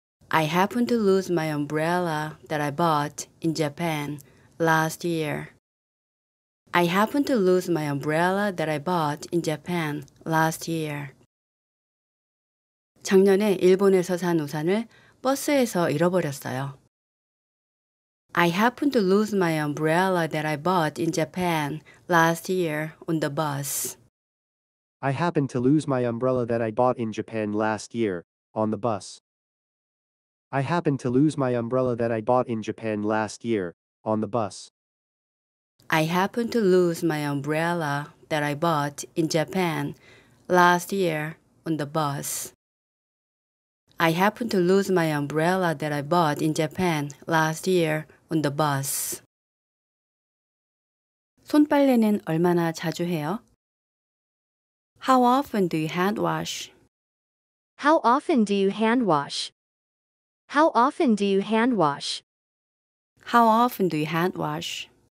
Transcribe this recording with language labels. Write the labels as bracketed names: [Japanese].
[English] I happened to lose my umbrella that I bought in Japan last year. I happened to lose my umbrella that I bought in Japan last year. [Korean] 작년에 일본에서 산 우산을 버스에서 잃어버렸어요. [English] I happened to lose my umbrella that I bought in Japan last year on the bus. I happened to lose my umbrella that I bought in Japan last year on the bus. I happened to lose my umbrella that I bought in Japan last year on the bus. I happened to lose my umbrella that I bought in Japan last year on the bus. I happened to lose my umbrella that I bought in Japan last year on the bus. [Korean] 손빨래는 얼마나 자주 해요? [English] How often do you hand wash? How often do you hand wash? How often do you hand wash? How often do you hand wash?